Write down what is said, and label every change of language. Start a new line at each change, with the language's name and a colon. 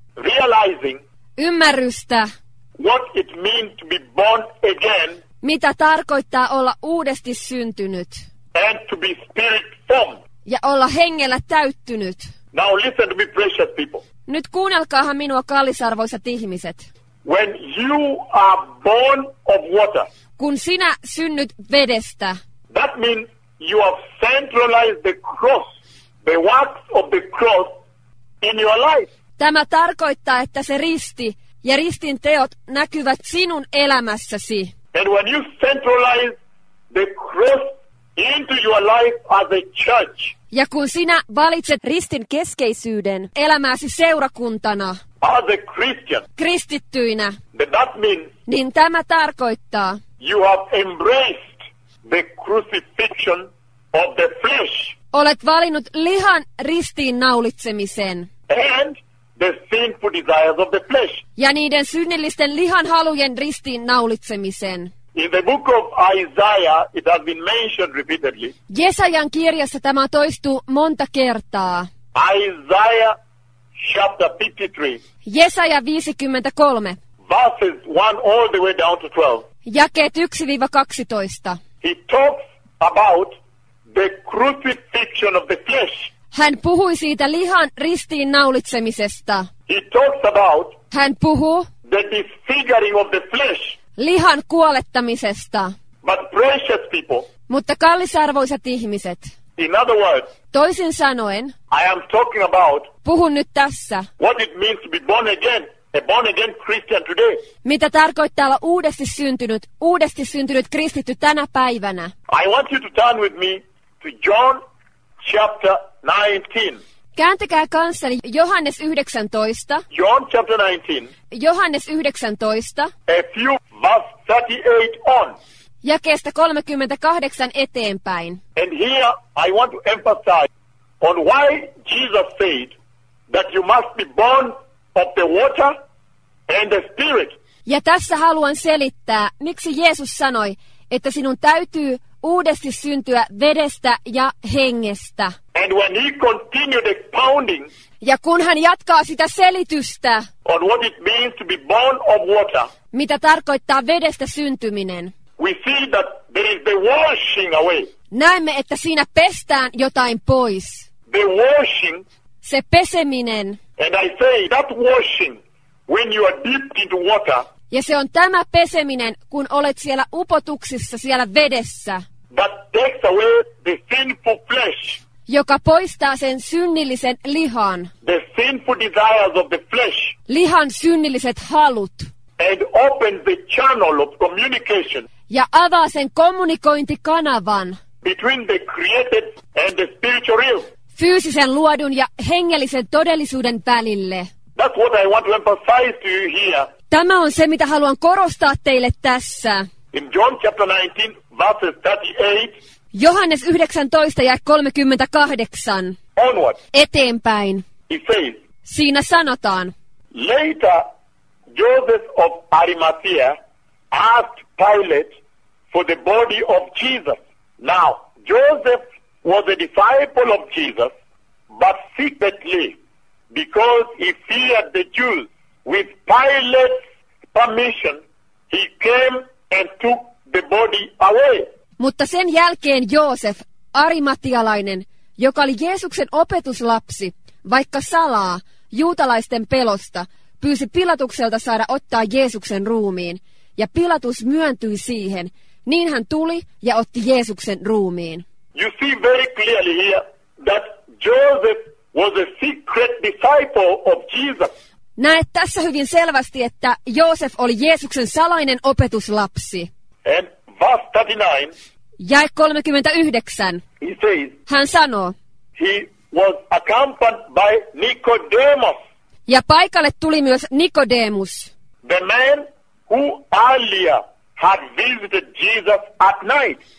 English: Realizing.
Finnish: Ymmärrystä.
English: What it means to be born again.
Finnish: Mitä tarkoittaa olla uudesti syntynyt.
English: And to be spirit formed.
Finnish: Ja olla hengellä täyttynyt.
English: Now listen to me, precious people.
Finnish: Nyt kuunnelkaahan minua, kallisarvoiset ihmiset.
English: When you are born of water.
Finnish: Kun sinä synnyt vedestä.
English: That means you have centralized the cross. The works of the cross in your life.
Finnish: Tämä tarkoittaa, että se risti ja ristin teot näkyvät sinun elämässäsi.
English: And when you centralize the cross into your life as a church.
Finnish: Ja kun sinä valitset ristin keskeisyyden elämäsi seurakuntana.
English: As a Christian.
Finnish: Kristittyinä.
English: That means.
Finnish: Niin tämä tarkoittaa.
English: You have embraced the crucifixion of the flesh.
Finnish: Olet valinnut lihan ristiin naulitsemisen.
English: And the sinful desires of the flesh.
Finnish: Ja niiden synnillisten lihan halujen ristiin naulitsemisen.
English: In the book of Isaiah, it has been mentioned repeatedly.
Finnish: Jesajan kirjassa tämä toistuu monta kertaa.
English: Isaiah chapter 53.
Finnish: Jesaja 53.
English: Verses 1 all the way down to 12.
Finnish: Jakeet 1-12.
English: He talks about the crucifixion of the flesh.
Finnish: Hän puhui siitä lihan ristiin naulitsemisesta.
English: He talks about.
Finnish: Hän puhuu.
English: The disfiguring of the flesh.
Finnish: Lihan kuolettamisesta.
English: But precious people.
Finnish: Mutta kallisarvoiset ihmiset.
English: In other words.
Finnish: Toisin sanoen.
English: I am talking about.
Finnish: Puhun nyt tässä.
English: What it means to be born again. A born again Christian today.
Finnish: Mitä tarkoittaa olla uudesti syntynyt kristitty tänä päivänä?
English: I want you to turn with me to John chapter 19.
Finnish: Kääntäkää kanssani Johannes 19.
English: John chapter 19.
Finnish: Johannes 19.
English: A few verse 38 on.
Finnish: Jakeesta 38 eteenpäin.
English: And here I want to emphasize on why Jesus said that you must be born of the water and the spirit.
Finnish: Ja tässä haluan selittää, miksi Jeesus sanoi, että sinun täytyy uudesti syntyä vedestä ja hengestä.
English: And when he continued expounding.
Finnish: Ja kun hän jatkaa sitä selitystä.
English: On what it means to be born of water.
Finnish: Mitä tarkoittaa vedestä syntyminen.
English: We see that there is the washing away.
Finnish: Näemme, että siinä pestään jotain pois.
English: The washing.
Finnish: Se peseminen.
English: And I say that washing. When you are dipped into water.
Finnish: Ja se on tämä peseminen, kun olet siellä upotuksissa, siellä vedessä.
English: That takes away the sinful flesh.
Finnish: Joka poistaa sen synnillisen lihan.
English: The sinful desires of the flesh.
Finnish: Lihan synnilliset halut.
English: And opens the channel of communication.
Finnish: Ja avaa sen kommunikointikanavan.
English: Between the created and the spiritual realm.
Finnish: Fyysisen luodun ja hengellisen todellisuuden välille.
English: That's what I want to emphasize to you here.
Finnish: Tämä on se, mitä haluan korostaa teille tässä.
English: In John chapter 19, verses 38.
Finnish: Johannes 19 ja 38.
English: Onward.
Finnish: Eteenpäin.
English: He says.
Finnish: Siinä sanotaan.
English: Later, Joseph of Arimathea asked Pilate for the body of Jesus. Now, Joseph was a disciple of Jesus, but secretly. Because he feared the Jews, with Pilate's permission, he came and took the body away.
Finnish: Mutta sen jälkeen Joosef, arimatialainen, joka oli Jeesuksen opetuslapsi, vaikka salaa, juutalaisten pelosta, pyysi Pilatukselta saada ottaa Jeesuksen ruumiin, ja Pilatus myöntyi siihen, niin hän tuli ja otti Jeesuksen ruumiin.
English: You see very clearly here that Joseph was a secret disciple of Jesus.
Finnish: Näet tässä hyvin selvästi, että Joosef oli Jeesuksen salainen opetuslapsi.
English: And verse 39.
Finnish: Jae 39.
English: He says.
Finnish: Hän sanoo.
English: He was accompanied by Nicodemus.
Finnish: Ja paikalle tuli myös Nicodemus.
English: The man who earlier had visited Jesus at night.